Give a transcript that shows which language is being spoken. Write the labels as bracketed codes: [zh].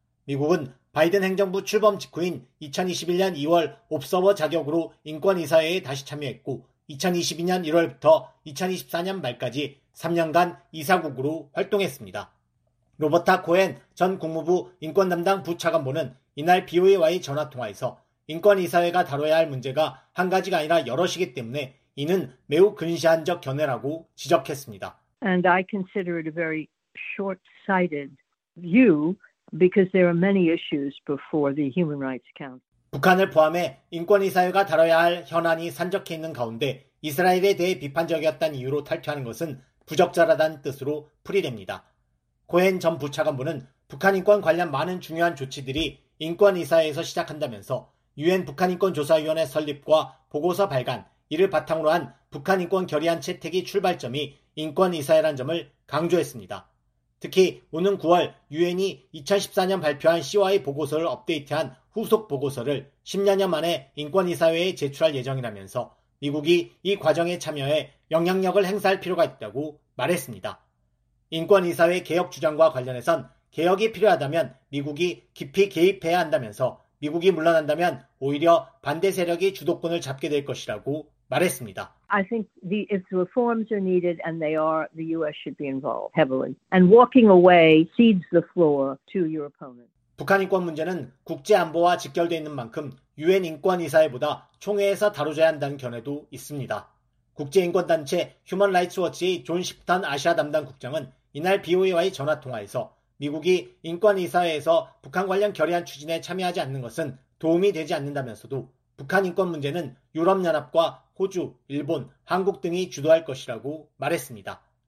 [ko] 미국은 바이든 행정부 출범 직후인 2021년 2월 옵서버 자격으로 인권이사회에 다시 참여했고 2022년 1월부터 2024년 말까지 3년간 이사국으로 활동했습니다. 로버타 코엔 전 국무부 인권담당 부차관보는 이날 BOA와의 전화통화에서 인권이사회가 다뤄야 할 문제가 한 가지가 아니라 여럿이기 때문에 이는 매우 근시안적 견해라고 지적했습니다. [en] And I consider it a very short-sighted view because there are many issues before the Human Rights Council. [ko] 북한을 포함해 인권이사회가 다뤄야 할 현안이 산적해 있는 가운데 이스라엘에 대해 비판적이었다는 이유로 탈퇴하는 것은 부적절하다는 뜻으로 풀이됩니다. 코엔 전 부차관보는 북한 인권 관련 많은 중요한 조치들이 인권이사회에서 시작한다면서 유엔 북한인권조사위원회 설립과 보고서 발간, 이를 바탕으로 한 북한인권 결의안 채택이 출발점이 인권이사회란 점을 강조했습니다. 특히 오는 9월 유엔이 2014년 발표한 CY 보고서를 업데이트한 후속 보고서를 10여년 만에 인권이사회에 제출할 예정이라면서 미국이 이 과정에 참여해 영향력을 행사할 필요가 있다고 말했습니다. 인권이사회 개혁 주장과 관련해선 개혁이 필요하다면 미국이 깊이 개입해야 한다면서 미국이 물러난다면 오히려 반대 세력이 주도권을 잡게 될 것이라고 말했습니다. [en] I think if reforms are needed and they are, the US should be involved heavily. And walking away cedes the floor to your opponent. [ko] 북한 인권 문제는 국제 안보와 직결되어 있는 만큼 유엔 인권이사회보다 총회에서 다뤄져야 한다는 견해도 있습니다. 국제 인권 단체 휴먼 라이츠 워치의 존 시프턴 아시아 담당 국장은 이날 BOA와의 전화 통화에서 미국이 인권이사회에서 북한 관련 결의안 추진에 참여하지 않는 것은 도움이 되지 않는다면서도 북한 인권 문제는 유럽연합과 호주, 일본, 한국 등이 주도할 것이라고 말했습니다.